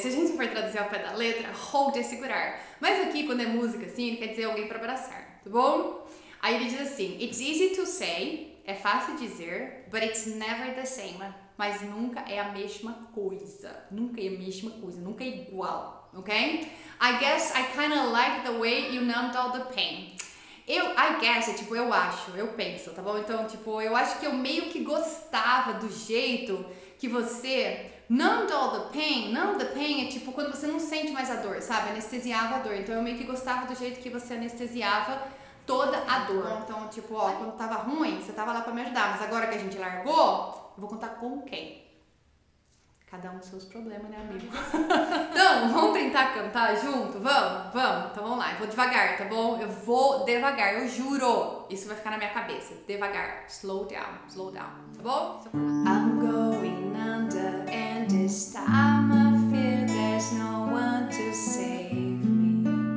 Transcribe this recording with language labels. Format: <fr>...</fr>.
<pt>Se a gente for traduzir ao pé da letra, hold é segurar. Mas aqui, quando é música, assim, ele quer dizer alguém para abraçar. Tá bom? Aí ele diz assim,</pt> <en>it's easy to say, é fácil dizer, but it's never the same.</en> <pt>Mas nunca é a mesma coisa. Nunca é a mesma coisa. Nunca é igual. Ok?</pt> <en>I guess I kind of like the way you numbed all the pain.</en> <pt>Eu acho, eu penso, tá bom? Então, tipo, eu acho que eu meio que gostava do jeito que você</pt> <en>numbed all the pain.</en> <pt>Numb the pain é tipo quando você não sente mais a dor, sabe? Anestesiava a dor. Então, eu meio que gostava do jeito que você anestesiava toda a dor. Então, tipo, ó, quando tava ruim, você tava lá pra me ajudar. Mas agora que a gente largou, eu vou contar com quem? Cada um dos seus problemas, né, amigo? Então, vamos tentar cantar junto? Vamos? Vamos. Então, vamos lá. Eu vou devagar, tá bom? Eu vou devagar, eu juro. Isso vai ficar na minha cabeça. Devagar.</pt> <en>Slow down. Slow down.</en> <pt>Tá bom?</pt> <en>I'm going under and this time I fear there's no one to save.</en>